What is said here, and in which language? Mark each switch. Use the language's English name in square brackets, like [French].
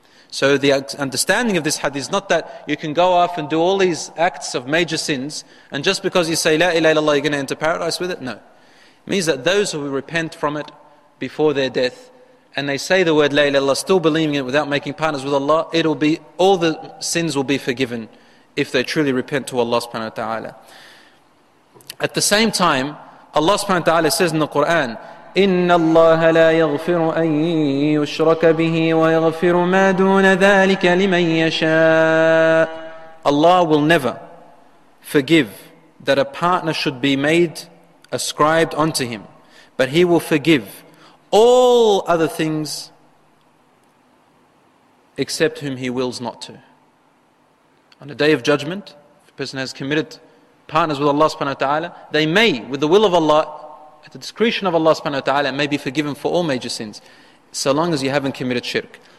[English] So the understanding of this hadith is not that you can go off and do all these acts of major sins, and just because you say, La ilaha illallah, you're going to enter paradise with it. No. It means that those who repent from it before their death, and they say the word La ilaha illallah, still believing it without making partners with Allah, it'll be, all the sins will be forgiven if they truly repent to Allah subhanahu wa ta'ala. At the same time, Allah subhanahu wa ta'ala says in the Quran, [Arabic] إِنَّ اللَّهَ لَا يَغْفِرُ أَن يُشْرَكَ بِهِ وَيَغْفِرُ مَا دُونَ ذَٰلِكَ لِمَن يَشَاءُ. [English] Allah will never forgive that a partner should be made ascribed onto him, but He will forgive all other things except whom He wills not to. On the day of judgment, if a person has committed partners with Allah subhanahu wa ta'ala, they may, with the will of Allah, at the discretion of Allah subhanahu wa ta'ala, may be forgiven for all major sins, so long as you haven't committed shirk.